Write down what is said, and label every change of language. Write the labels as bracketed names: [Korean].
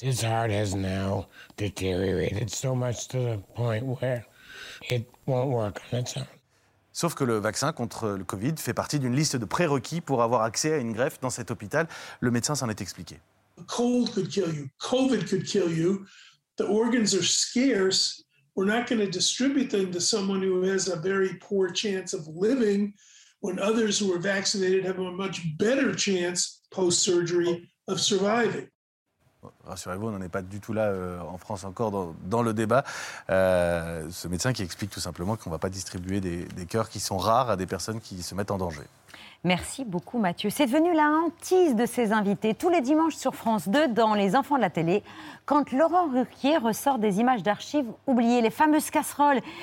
[English] His heart has now deteriorated so much to the point where it won't work on its own. [French] Sauf que le vaccin contre le Covid fait partie d'une liste de prérequis pour avoir accès à une greffe dans cet hôpital. Le médecin s'en est expliqué. [English] A cold could kill you. COVID could kill you. The organs are scarce. We're not going to distribute them to someone who has a very poor chance of living when others who are vaccinated have a much better chance post-surgery of surviving. [French] Rassurez-vous, on n'en est pas du tout là en France encore dans le débat. Ce médecin qui explique tout simplement qu'on ne va pas distribuer des cœurs qui sont rares à des personnes qui se mettent en danger. Merci beaucoup, Mathieu. C'est devenu la hantise de ses invités. Tous les dimanches sur France 2, dans Les Enfants de la télé, quand Laurent Ruquier ressort des images d'archives oubliées, les fameuses casseroles.